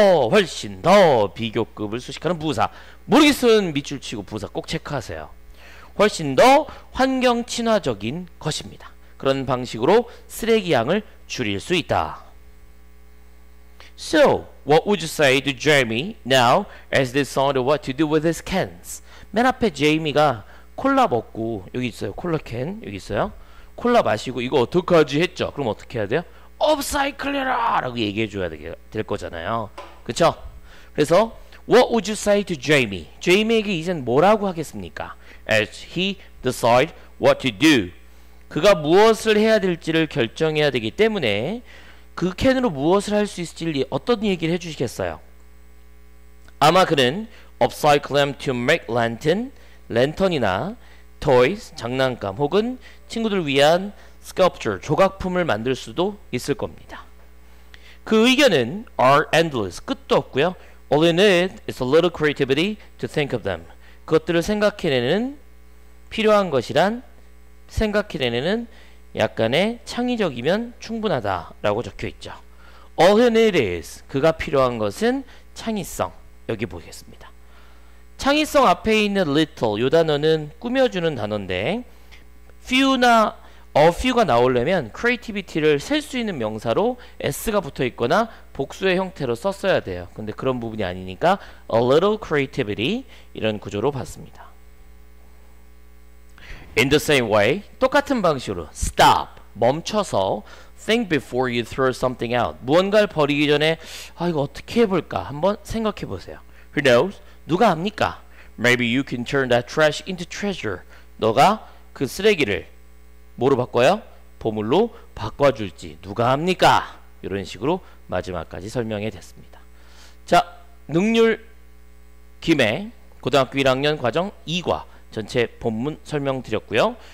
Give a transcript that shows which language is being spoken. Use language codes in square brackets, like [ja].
[ko] 훨씬 더 비교급을 수식하는 부사 모르겠으면 밑줄 치고 부사 꼭 체크하세요. 훨씬 더 환경 친화적인 것입니다. 그런 방식으로 쓰레기 양을 줄일 수 있다. [en] So, what would you say to Jamie now as they decide what to do with his cans? [ko] 맨 앞에 제이미가 콜라 먹고 여기 있어요. 콜라 캔 여기 있어요. 콜라 마시고 이거 어떡하지 했죠. 그럼 어떻게 해야 돼요? 업사이클해라 라고 얘기해 줘야 될 거잖아요. 그쵸? 그래서 [en] What would you say to Jamie? [ko] 제이미에게 이젠 뭐라고 하겠습니까? [en] As he decide what to do. [ko] 그가 무엇을 해야 될지를 결정해야 되기 때문에 그 캔으로 무엇을 할 수 있을지 어떤 얘기를 해주시겠어요? 아마 그는 [en] upcycle them to make lantern, [ko] 랜턴이나 toys, 장난감 혹은 친구들 위한 sculpture, 조각품을 만들 수도 있을 겁니다. 그 의견은 [en] are endless, [ko] 끝도 없고요. [en] All you need is a little creativity to think of them. [ko] 그것들을 생각해내는 필요한 것이란 생각해내는 약간의 창의적이면 충분하다라고 적혀있죠. [en] All you need is, [ko] 그가 필요한 것은 창의성, 여기 보겠습니다. 창의성 앞에 있는 little 요 단어는 꾸며주는 단어인데 few나 a few가 나오려면 creativity를 셀 수 있는 명사로 s가 붙어 있거나 복수의 형태로 썼어야 돼요. 근데 그런 부분이 아니니까 [en] a little creativity [ko] 이런 구조로 봤습니다. [en] In the same way [ko] 똑같은 방식으로 stop 멈춰서 [en] think before you throw something out [ko] 무언가를 버리기 전에 아 이거 어떻게 해볼까 한번 생각해 보세요. [en] Who knows? [ko] 누가 압니까? [en] Maybe you can turn that trash into treasure. [ko] 너가 그 쓰레기를 뭐로 바꿔요? 보물로 바꿔줄지 누가 압니까? 이런 식으로 마지막까지 설명이 됐습니다. 자, 능률 김에 고등학교 1학년 과정 2과 전체 본문 설명드렸고요.